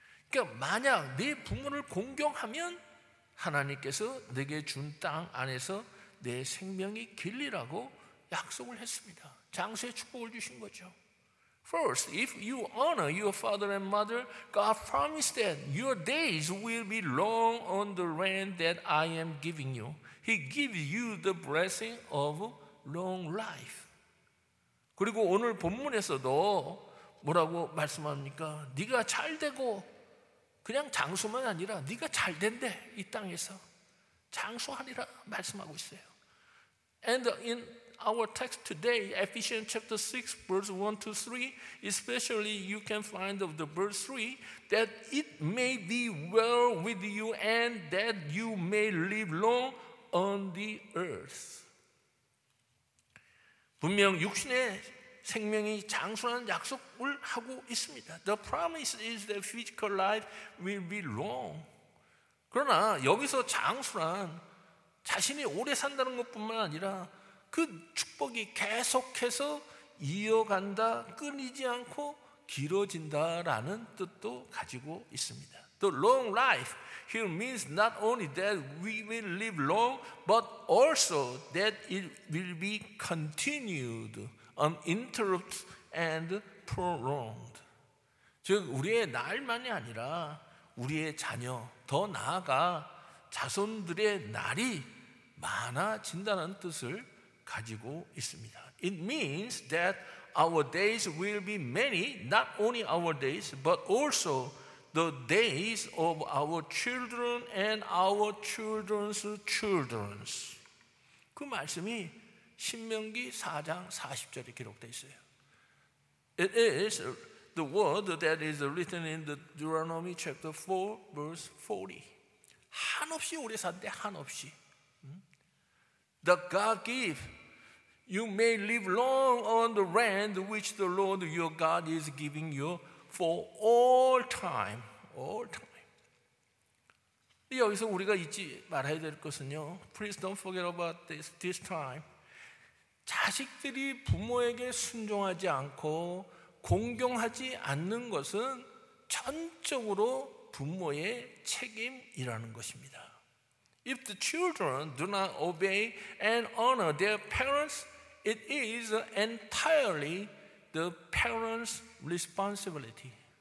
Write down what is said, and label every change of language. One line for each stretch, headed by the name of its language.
Korean: 그러니까 만약 네 부모를 공경하면 하나님께서 네게 준 땅 안에서 내 생명이 길리라고 약속을 했습니다. 장세 축복을 주신 거죠.
English: First, if you honor your father and mother, God promised that your days will be long on the land that I am giving you. He gives you the blessing of long life.
Korean: 그리고 오늘 본문에서도 뭐라고 말씀합니까? 네가 잘 되고, 그냥 장수만 아니라 네가 잘 된대, 이 땅에서 장수하리라 말씀하고 있어요.
English: And in our text today, Ephesians chapter 6, verse 1 to 3, especially you can find of the verse 3, that it may be well with you and that you may live long on the earth.
Korean: 분명 육신의 생명이 장수하는 약속을 하고 있습니다.
English: The promise is that physical life will be long.
Korean: 그러나 여기서 장수란 자신이 오래 산다는 것뿐만 아니라 그 축복이 계속해서 이어간다, 끊이지 않고 길어진다라는 뜻도 가지고 있습니다.
English: The long life here means not only that we will live long, but also that it will be continued, uninterrupted and prolonged.
Korean: 즉 우리의 날만이 아니라 우리의 자녀, 더 나아가 자손들의 날이 많아진다는 뜻을 가지고 있습니다.
English: It means that our days will be many, not only our days, but also the days of our children and our children's children.
Korean: 그 말씀이 신명기 4장 40절에 기록되어 있어요.
English: It is the word that is written in the Deuteronomy chapter 4, verse 40.
Korean: 한없이 오래 산대, 한없이.
English: The God gave, you may live long on the land which the Lord your God is giving you for all time. All time.
Korean: 여기서 우리가 잊지 말아야 될 것은요,
English: Please don't forget about this time.
Korean: 자식들이 부모에게 순종하지 않고 공경하지 않는 것은 전적으로 부모의 책임이라는 것입니다.
English: If the children do not obey and honor their parents, it is entirely the parents' responsibility.